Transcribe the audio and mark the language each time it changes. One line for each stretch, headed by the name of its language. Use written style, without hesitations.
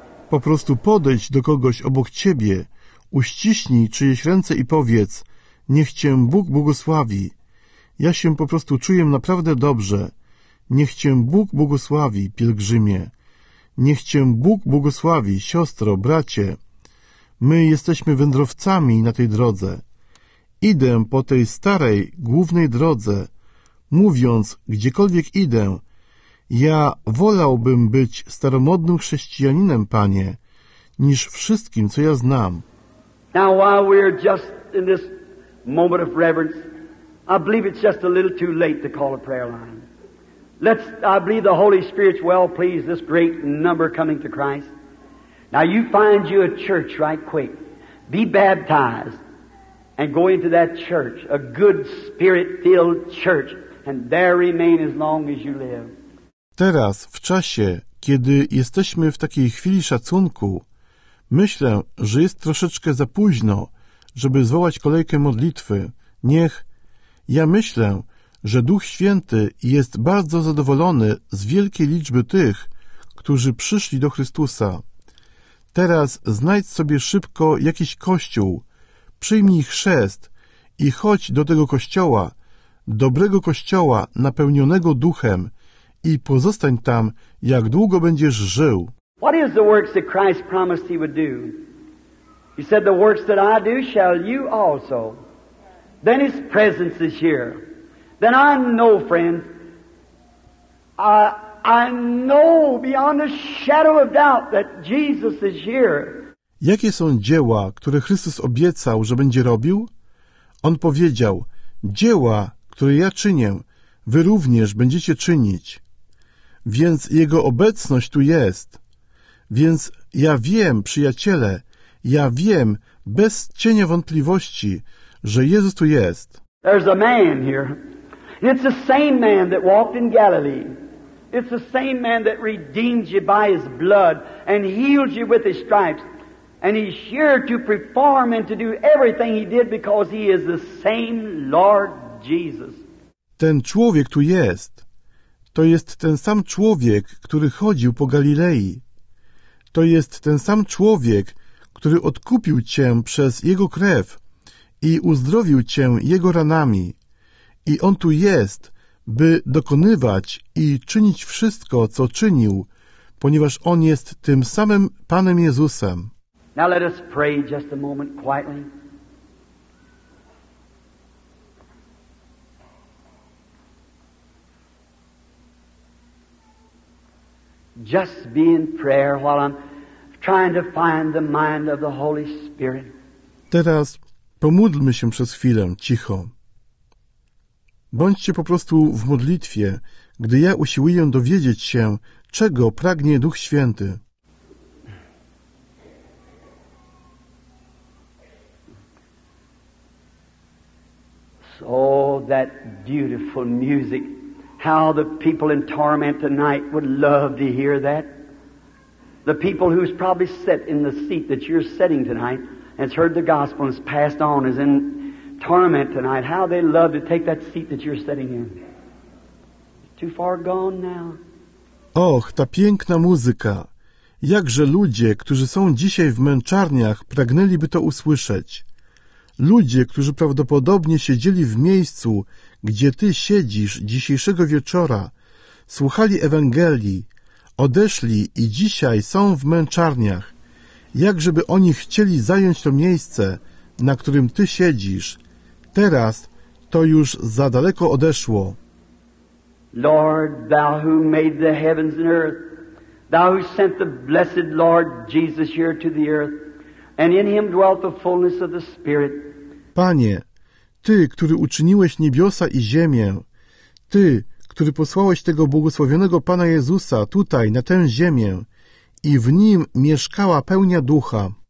Polish: Po prostu podejdź do kogoś obok ciebie, uściśnij czyjeś ręce i powiedz, niech cię Bóg błogosławi. Ja się po prostu czuję naprawdę dobrze. Niech cię Bóg błogosławi, pielgrzymie. Niech cię Bóg błogosławi, siostro, bracie. My jesteśmy wędrowcami na tej drodze. Idę po tej starej, głównej drodze, mówiąc, gdziekolwiek idę, ja wolałbym być staromodnym chrześcijaninem, Panie, niż wszystkim, co ja znam.
English: Now, while we're just in this moment of reverence, I believe it's just a little too late to call a prayer line. I believe the Holy Spirit's well pleased this great number coming to Christ. Now, you find you a church right quick. Be baptized. And go into that church, a good spirit-filled church, and there remain as long as you live.
Polish: Teraz, w czasie, kiedy jesteśmy w takiej chwili szacunku, myślę, że jest troszeczkę za późno, żeby zwołać kolejkę modlitwy. Ja myślę, że Duch Święty jest bardzo zadowolony z wielkiej liczby tych, którzy przyszli do Chrystusa. Teraz znajdź sobie szybko jakiś kościół, przyjmij chrzest i chodź do tego kościoła, dobrego kościoła napełnionego duchem i pozostań tam, jak długo będziesz żył.
English: What is the works that Christ promised he would do? He said, the works that I do shall you also. Then his presence is here. Then I know, friend, I know beyond a shadow of doubt that Jesus is here.
Polish: Jakie są dzieła, które Chrystus obiecał, że będzie robił? On powiedział, dzieła, które ja czynię, wy również będziecie czynić. Więc Jego obecność tu jest. Więc ja wiem, przyjaciele, ja wiem, bez cienia wątpliwości, że Jezus tu jest.
English: There's a man here. It's the same man that walked in Galilee. It's the same man that redeemed you by his blood and healed you with his stripes. And he's here to perform and to do everything he did because he is the same Lord Jesus.
Polish: Ten człowiek tu jest. To jest ten sam człowiek, który chodził po Galilei. To jest ten sam człowiek, który odkupił cię przez jego krew i uzdrowił cię jego ranami. I on tu jest, by dokonywać i czynić wszystko, co czynił, ponieważ On jest tym samym Panem Jezusem.
English: Now let us pray just a moment quietly. Just be in prayer while I'm trying to find the mind of the Holy Spirit.
Polish: Teraz pomódlmy się przez chwilę, cicho. Bądźcie po prostu w modlitwie, gdy ja usiłuję dowiedzieć się, czego pragnie Duch Święty.
English: So that beautiful music. How the people in torment tonight would love to hear that. The people who's probably sit in the seat that you're sitting tonight has heard the gospel and has passed on, is in torment tonight. How they love to take that seat that you're sitting in. Too far gone now.
Polish: Och, ta piękna muzyka. Jakże ludzie, którzy są dzisiaj w męczarniach, pragnęliby to usłyszeć. Ludzie, którzy prawdopodobnie siedzieli w miejscu, gdzie Ty siedzisz dzisiejszego wieczora, słuchali Ewangelii, odeszli i dzisiaj są w męczarniach. Jakżeby oni chcieli zająć to miejsce, na którym Ty siedzisz. Teraz to już za daleko odeszło.
English: Lord, Thou who made the heavens and earth, Thou who sent the blessed Lord Jesus here to the earth, and in Him dwelt the fullness of the Spirit.
Polish: Panie, Ty, który uczyniłeś niebiosa i ziemię, Ty, który posłałeś tego błogosławionego Pana Jezusa tutaj, na tę ziemię, i w Nim mieszkała pełnia Ducha.